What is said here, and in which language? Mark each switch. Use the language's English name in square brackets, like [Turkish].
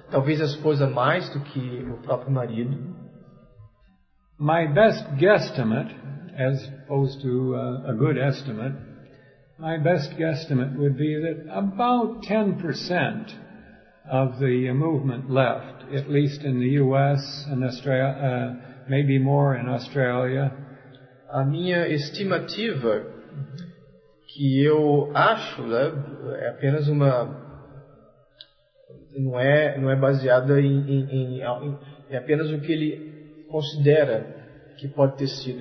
[Portuguese] Talvez a esposa mais do que o próprio marido. [English] My best guesstimate, as opposed to a good estimate, my best guesstimate would be that about 10% of the movement left, at least in the U.S. and Australia, maybe more in Australia. [Portuguese] A minha estimativa, que eu acho, né, é apenas uma... Não é baseada em apenas o que ele considera que pode ter sido.